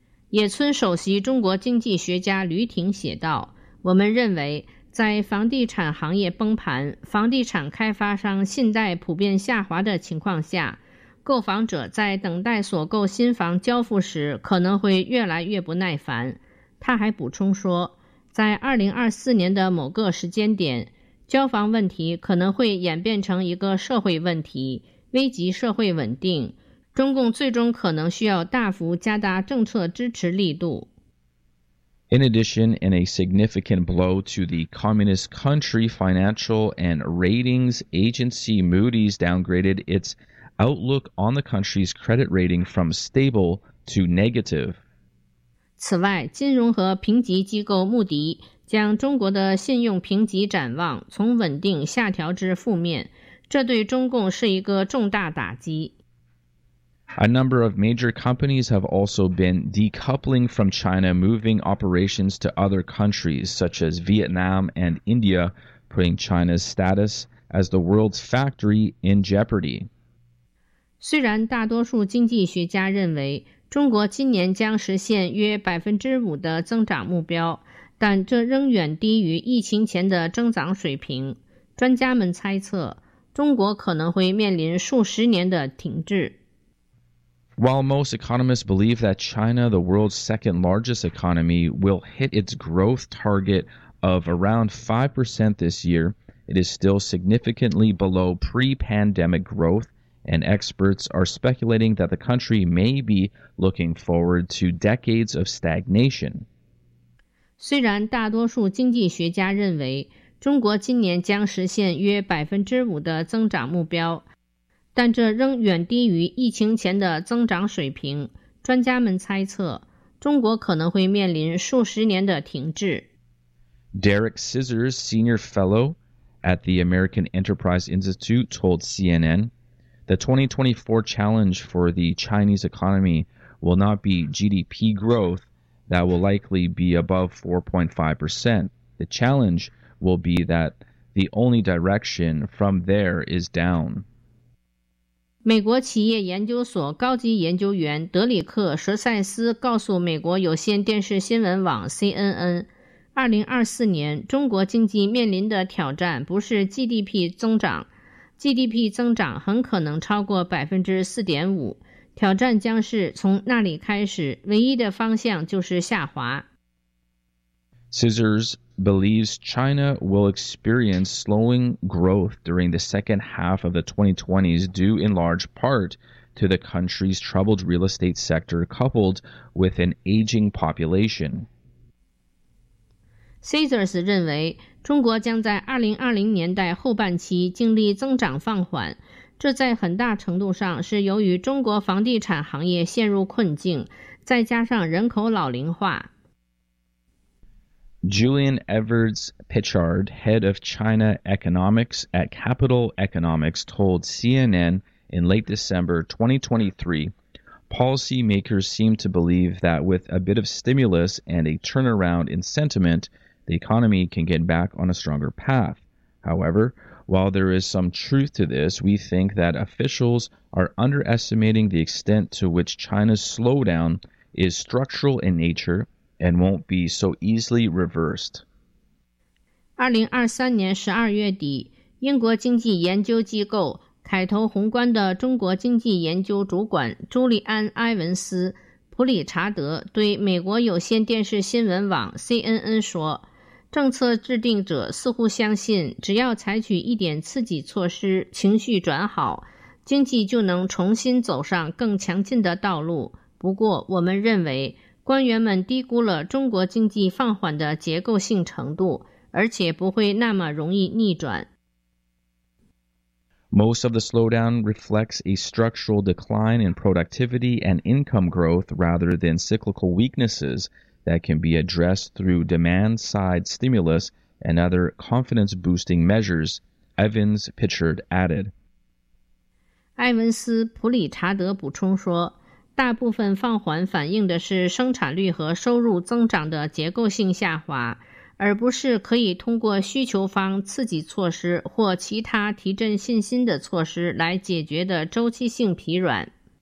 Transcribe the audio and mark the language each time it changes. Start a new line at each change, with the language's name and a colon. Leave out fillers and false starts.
Chinese: 野村首席中国经济学家吕挺写道，我们认为在房地产行业崩盘，房地产开发商信贷普遍下滑的情况下，购房者在等待所购新房交付时可能会越来越不耐烦。他还补充说，在2024年的某个时间点，交房问题可能会演变成一个社会问题，危及社会稳定。中共最终可能需要大幅加大政策支持力度。
English: In addition, in a significant blow to the communist country, financial and ratings agency Moody's downgraded its outlook on the country's credit rating from stable to negative.
Chinese: 此外，金融和评级机构穆迪将中国的信用评级展望从稳定下调至负面，这对中共是一个重大打击。
English: A number of major companies have also been decoupling from China, moving operations to other countries such as Vietnam and India, putting China's status as the world's factory in jeopardy.
Chinese: 虽然大多数经济学家认为中国今年将实现约 5% 的增长目标，但这仍远低于疫情前的增长水平。专家们猜测，中国可能会面临数十年的停滞。
English: While most economists believe that China, the world's second largest economy, will hit its growth target of around 5% this year, it is still significantly below pre-pandemic growth, and experts are speculating that the country may be looking forward to decades of stagnation.
Chinese: 虽然大多数经济学家认为中国今年将实现约 5% 的增长目标，但这仍远低于疫情前的增长水平。专家们猜测，中国可能会面临数十年的停滞。
English: Derek Scissors, senior fellow at the American Enterprise Institute, told CNN, "The 2024 challenge for the Chinese economy will not be GDP growth that will likely be above 4.5%. The challenge will be that the only direction from there is down."
Chinese: 美国企业研究所高级研究员德里克·舍塞斯告诉美国有线电视新闻网 CNN， 2024年中国经济面临的挑战不是 GDP 增长， GDP 增长很可能超过 4.5%， 挑战将是从那里开始，唯一的方向就是下滑。
English: Scissors believes China will experience slowing growth during the second half of the 2020s due in large part to the country's troubled real estate sector coupled with an aging population.
Chinese: Scissors 认为中国将在2020年代后半期经历增长放缓，这在很大程度上是由于中国房地产行业陷入困境，再加上人口老龄化。
English: Julian Evers Pichard, head of China Economics at Capital Economics, told CNN in late December 2023, policymakers seem to believe that with a bit of stimulus and a turnaround in sentiment, the economy can get back on a stronger path. However, while there is some truth to this, we think that officials are underestimating the extent to which China's slowdown is structural in nature,and won't be so easily reversed.
Chinese: 2023年12月底，英国经济研究机构凯投宏观的中国经济研究主管朱利安·埃文斯·普里查德对美国有线电视新闻网 CNN 说，政策制定者似乎相信只要采取一点刺激措施，情绪转好，经济就能重新走上更强劲的道路。不过我们认为官员们低估了中国经济放缓的结构性程度，而且不会那么容易逆转。
English: Most of the slowdown reflects a structural decline in productivity and income growth rather than cyclical weaknesses that can be addressed through demand-side stimulus and other confidence-boosting measures, Evans Pitchard added.
Chinese: 埃文斯·普里查德补充说，大部分放缓反映的是生产率和收入增长的结构性下滑，而不是可以通过需求方刺激措施或其他提振信心的措施来解决的周期性疲软。